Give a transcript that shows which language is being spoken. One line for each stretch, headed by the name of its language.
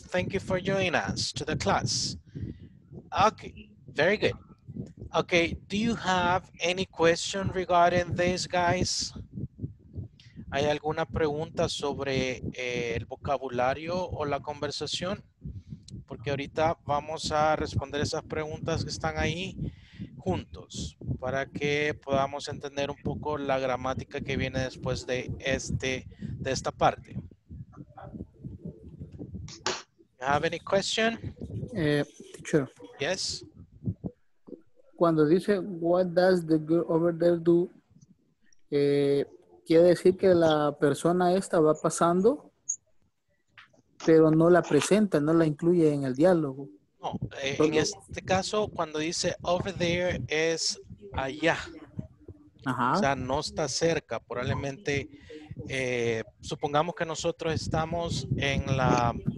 English: Thank you for joining us to the class. Okay. Very good. Okay, do you have any question regarding this, guys?
Spanish: ¿Hay alguna pregunta sobre el vocabulario o la conversación? Porque ahorita vamos a responder esas preguntas que están ahí juntos para que podamos entender un poco la gramática que viene después de esta parte.
English: You have any question? Teacher. Yes.
Spanish: Cuando dice,
English: what does the girl over there do?
Spanish: Quiere decir que la persona esta va pasando, pero no la presenta, no la incluye en el diálogo. No, en este caso, cuando dice
English: over there
Spanish: es allá. Ajá. O sea, no está cerca. Probablemente, supongamos que nosotros estamos en la...